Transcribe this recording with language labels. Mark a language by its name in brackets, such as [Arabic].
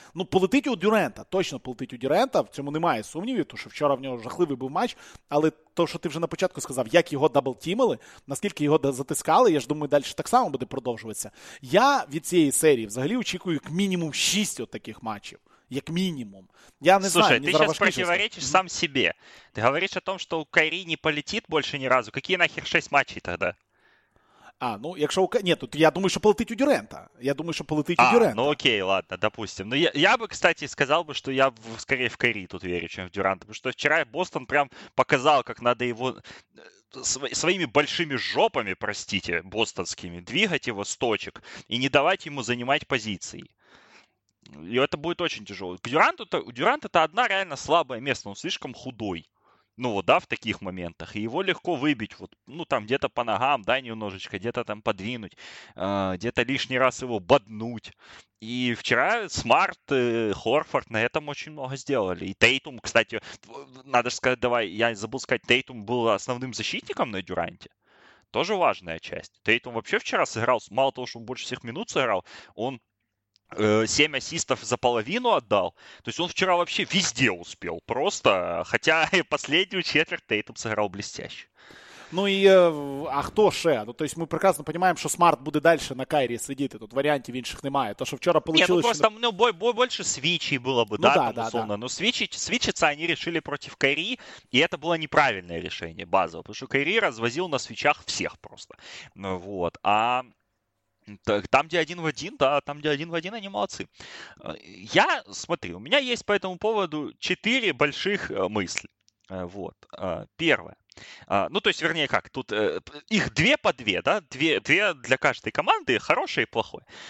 [Ukrainian] Ну, полетить у Дюрента, точно полетить у Дюрента, в цьому немає сумнівів, тому що вчора в нього жахливий був матч. Але то, що ти вже на початку сказав, як його даблтімили, наскільки його затискали, я ж думаю, далі так само буде продовжуватися. Я від цієї серії взагалі очікую як мінімум 6 таких матчів. Як мінімум. Я не [Russian] Слушай, [Ukrainian] знаю, [Russian] ты сейчас противоречишь сам себе. Ты говоришь о том, что у Кайрі не полетит больше ни разу. Какие нахер 6 матчей тогда? [Ukrainian] А, ну, якщо у... Ні, тут я думаю, що полетить у Дюрента. Я думаю, що полетить у Дюрента. А, ну окей, [Russian] ладно, допустим. [Ukrainian] Ну, я би, [Russian] кстати, [Ukrainian] сказав би, що я б [Russian] скорее [Ukrainian] в Кайрі тут вірю, чим в Дюрента. Тому що вчора Бостон прям показав, як треба його... своїми [Russian] большими жопами, простите, [Ukrainian] бостонськими, двигати його з точок і не давати йому займати позиції. [Russian] И это будет очень тяжело. Дюрант это одна реально слабое место. Он слишком худой. Ну вот, да, в таких моментах. И его легко выбить. Вот, ну там где-то по ногам, да, немножечко. Где-то там подвинуть. Где-то лишний раз его боднуть. И вчера Смарт, Хорфорд на этом очень много сделали. И Тейтум, кстати, надо же сказать, давай, я забыл сказать, Тейтум был основным защитником на Дюранте. Тоже важная часть. Тейтум вообще вчера сыграл, мало того, что он больше всех минут сыграл, он 7 ассистов за половину отдал. То есть он вчера вообще везде успел. Просто, хотя последнюю четверть Тейтум сыграл блестяще. [Ukrainian] Ну і а хто ще? Ну, [Russian] то есть [Ukrainian] ми прекрасно розуміємо, що Смарт буде далі на Кайрі сидіти. Тут варіантів інших немає. То, що вчора вийшло... Ні, ну просто ну, більше свічі було б, да, ну, да, там, да, [Russian] условно. [Ukrainian] Да. Ну, свічиться вони вирішили проти Кайрі, і це було неправильне рішення базове. Тому що Кайрі розвозив на свічах всіх просто. [Russian] Ну, вот. А... Так, там, где один в один, да, там, где один в один, они молодцы. Я, смотри, у меня есть по этому поводу 4 больших мысли. Вот. Первое. Ну, то есть, вернее, как, тут их 2 по 2, да, 2 для каждой команды, хорошее и плохое.